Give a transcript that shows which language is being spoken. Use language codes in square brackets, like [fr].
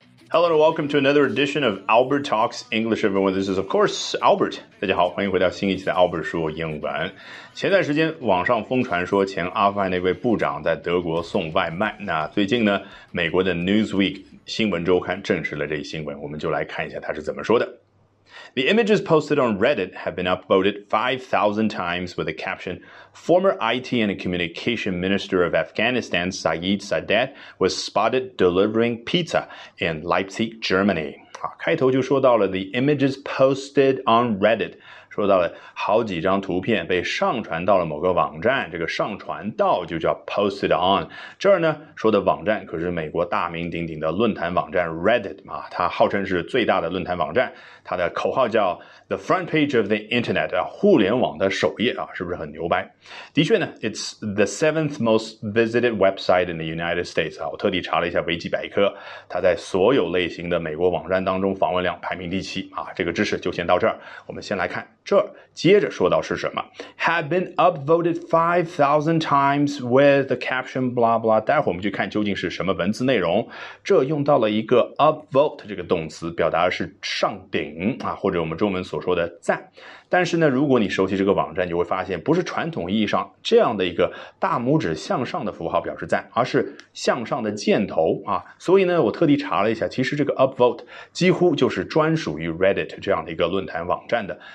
[en] Hello and welcome to another edition of Albert Talks English, everyone. This is, of course, Albert. [zh] 大家好，欢迎回到新一期的 Albert 说英文。前段时间网上疯传说前阿富汗那位部长在德国送外卖。那最近呢，美国的 Newsweek 新闻周刊证实了这一新闻，我们就来看一下他是怎么说的。 [en] The images posted on Reddit have been upvoted 5,000 times with the caption, Former IT and Communication Minister of Afghanistan Saeed Sadat was spotted delivering pizza in Leipzig, Germany. [zh] 好，开头就说到了 [en] the images posted on Reddit, [zh] 说到了好几张图片被上传到了某个网站，这个上传到就叫 posted on。这儿呢，说的网站可是美国大名鼎鼎的论坛网站 Reddit, 啊，它号称是最大的论坛网站。它的口号叫 [en] The front page of the internet, [zh] 啊，互联网的首页啊，是不是很牛掰？的确呢， [en] it's the seventh most visited website in the United States, [zh] 啊，我特地查了一下维基百科，它在所有类型的美国网站当中访问量排名第七，啊，这个知识就先到这儿，我们先来看这儿，接着说到是什么。 [en] Have been upvoted 5,000 times with the caption blah blah, [zh] 待会儿我们去看究竟是什么文字内容。这用到了一个 upvote 这个动词，表达的是上顶啊，或者我们中文所说的赞。但是呢，如果你熟悉这个网站，就会发现不是传统意义上这样的一个大拇指向上的符号表示赞，而是向上的箭头啊。所以呢，我特地查了一下，其实这个 upvote 几乎就是专属于 Reddit 这样的一个论坛网站的。